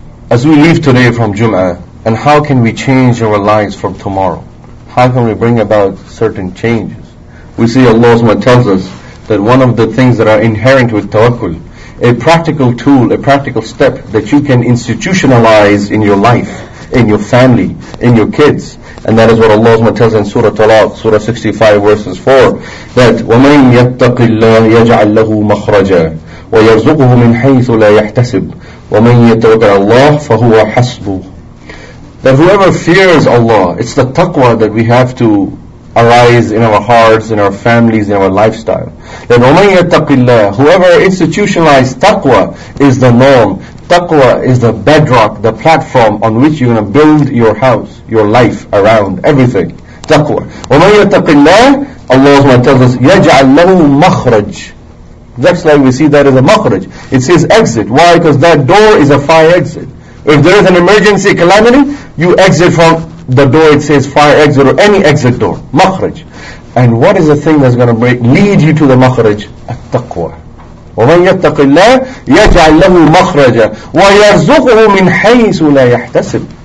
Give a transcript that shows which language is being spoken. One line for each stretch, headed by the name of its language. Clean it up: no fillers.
English: As we leave today from Jum'ah, and how can we change our lives from tomorrow? How can we bring about certain changes? We see Allah SWT tells us that one of the things that are inherent with tawakkul, a practical tool, a practical step that you can institutionalize in your life, in your family, in your kids. And that is what Allah SWT tells in Surah Talaq, Surah 65, verses 4, that
Arabic: وَمَنْ يَتَّقِ اللَّهِ يَجْعَلْ لَهُ مَخْرَجًا وَيَرْزُقُهُ مِنْ حَيْثُ لَا يَحْتَسِبُ وَمَنْ يَتَّوَكَ اللَّهِ فَهُوَ حَسْبُهُ.
English: That whoever fears Allah, it's the taqwa that we have to arise in our hearts, in our families, in our lifestyle. That
Arabic: وَمَنْ يَتَّقِ اللَّهِ,
English: whoever institutionalized taqwa is the norm. Taqwa is the bedrock, the platform on which you're going to build your house, your life around, everything. Taqwa.
Arabic: وَمَنْ يَتَّقِ اللَّهِ,
English: Allah SWT tells us,
Arabic: يَجْعَلْ لَهُ مَخْرَجْ.
English: Just like we see that is a makhraj. It says exit. Why? Because that door is a fire exit. If there is an emergency calamity, you exit from the door, it says fire exit or any exit door. Makhraj. And what is the thing that's going to lead you to the makhraj?
Arabic: At-taqwa. وَمَنْ يَتَّقِ اللَّهِ يَجْعَلْ لَهُ مَخْرَجًا وَيَرْزُقُهُ مِنْ حَيْثُ لَا يَحْتَسِبُ.